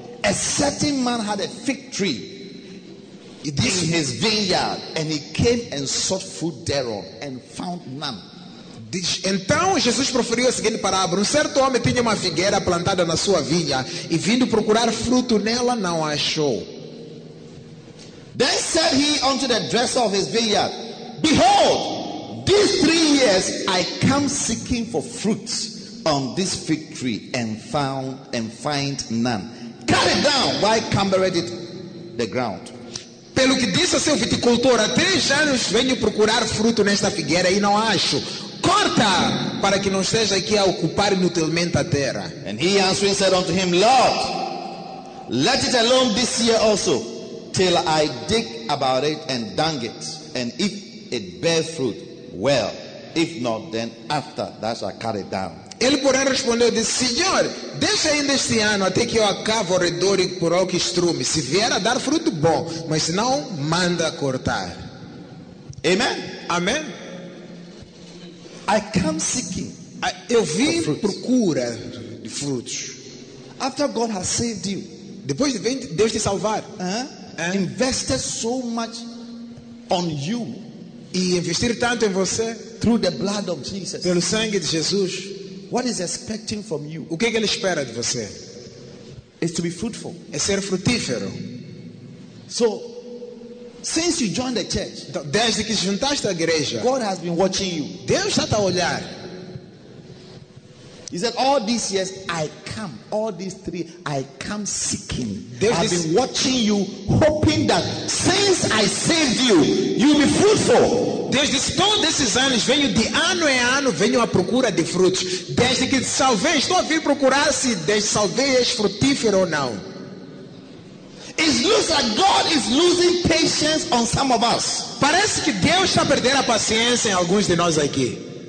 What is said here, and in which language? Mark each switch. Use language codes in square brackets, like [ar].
[en] A certain man had a fig tree in his vineyard, and he came and sought fruit thereon and found none. [pt] Diz, então Jesus proferiu a seguinte parábola: um certo homem tinha uma figueira plantada na sua vinha e vindo procurar fruto nela não a achou. [en] Then said he unto the dresser of his vineyard, behold, these 3 years I come seeking for fruits on this fig tree and find none. Cut it down, why cumbered it the ground? [pt] Pelo que disse ao seu viticultor, há 3 anos venho procurar fruto nesta figueira e não acho. Corta, para que não esteja aqui a ocupar inutilmente a terra. [en] And he answering said unto him, Lord, let it alone this year also, till I dig about it and dung it. And if it bear fruit, well. If not, then after, thou shalt cut it down. [pt] Ele, porém, respondeu e disse, Senhor, deixa ainda este ano, até que eu acabe ao redor e por ao que estrume. Se vier a dar fruto, bom. Mas se não, manda cortar. [en] Amen? [pt] Amen. [en] I come seeking. [pt] Eu vim procura de frutos. [en] After God has saved you, [pt] depois de Deus te salvar, [en] Invested so much on you, [pt] e investir tanto em você, [en] through the blood of Jesus, [pt] pelo sangue de Jesus, [en] what is expecting from you? [pt] O que ele espera de você? [en] Is to be fruitful. [pt] É ser frutífero. [en] So, since you joined the church, [pt] desde que juntaste a igreja, [en] God has been watching you. [pt] Deus está a olhar. [en] He said, all these years I come, all these 3, I come seeking. I've been watching you, hoping that since I saved you, you'll be fruitful. [pt] Desde todos esses anos, venho de ano em ano, venho à procura de frutos. Desde que te salvei, estou a vir procurar se desde salvei és frutífero ou não. [en] It looks like God is losing patience on some of us. [pt] Parece que Deus está perdendo a paciência em alguns de nós aqui.